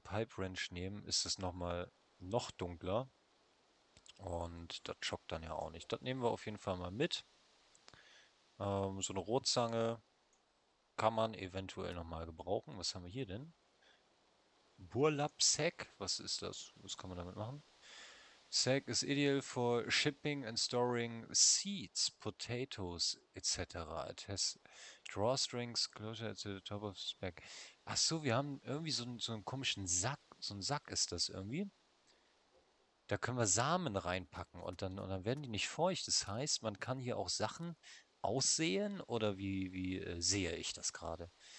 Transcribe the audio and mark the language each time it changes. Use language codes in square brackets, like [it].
[de] Pipe Wrench nehmen. Ist das nochmal noch dunkler. Und das schockt dann ja auch nicht. Das nehmen wir auf jeden Fall mal mit. So eine Rohrzange kann man eventuell nochmal gebrauchen. Was haben wir hier denn? Burlap-Sack. Was ist das? Was kann man damit machen? [en] Sack is ideal for shipping and storing seeds, potatoes, etc. It has drawstrings closer to the top of the bag. [de] Ach so, wir haben irgendwie so einen komischen Sack. So ein Sack ist das irgendwie. Da können wir Samen reinpacken und dann werden die nicht feucht. Das heißt, man kann hier auch Sachen aussäen oder wie sehe ich das gerade?